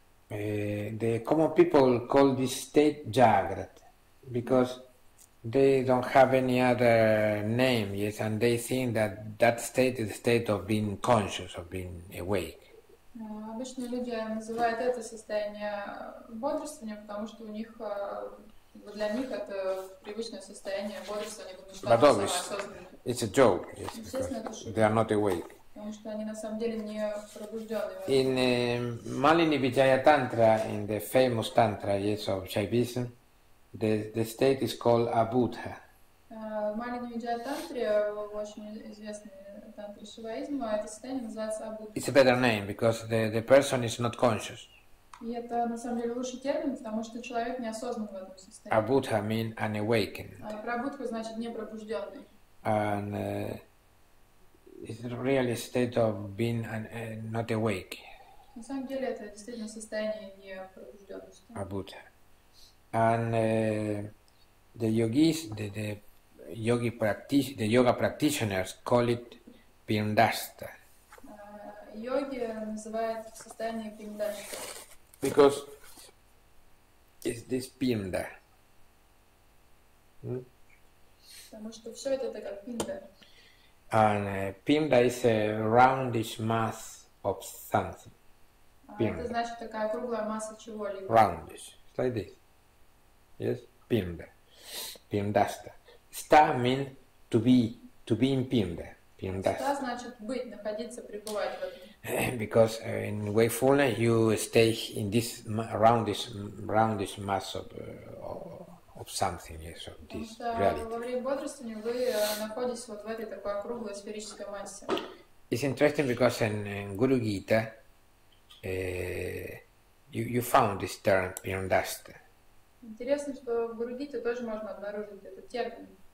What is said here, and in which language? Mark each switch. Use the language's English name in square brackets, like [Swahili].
[English] The common people call this state jagrat because They don't have any other name, yes, and they think that that state is a state of being conscious, of being awake. [Russian] Обычно люди называют это состояние бодрствованием, потому что у них для них это привычное состояние бодрствования, потому что они самоосознанны. [English] It's a joke, yes, because they are not awake. [Russian] Потому что они на самом деле не пробуждены. [English] In Malini Vijaya Tantra, in the famous tantra, yes, of Shaivism, the state is called Abuddha. [Russian] Malini Vijaya Tantra, очень известный тантра шиваизма, это состояние называется Абуддха. [English] It's a better name because the person is not conscious. [Russian] И это на самом деле лучший термин, потому что человек не осознан в этом состоянии. [English] Abuddha means unawakened. [Russian] Прабудха значит не пробужденный. [English] And it's really a state of being not awake. [Russian] На самом деле это действительно состояние не пробужденности. [English] Abuddha. And the yogis, the yogi practice, the yoga practitioners call it pindasta. [Russian] Йоги называют состояние пиндашта. [English] Because it's this pinda. [Russian] Потому что все это как пинда. [English] And pinda is a roundish mass of something. [Russian] Это значит такая круглая масса чего-либо. [English] Roundish. It's like this. Yes, pinda, pindasta. Sta means to be in pinda, pindasta. [Russian] Sta значит быть, находиться, пребывать в этом. [English] Because in wakefulness you stay in this roundish mass of something, yes, of this reality. [Russian] Во время бодрствования вы находитесь вот в этой такой круглой сферической массе. [English] It's interesting because in Guru Gita you found this term pindasta. [Russian] Интересно, что в Гурудите тоже можно обнаружить этот термин.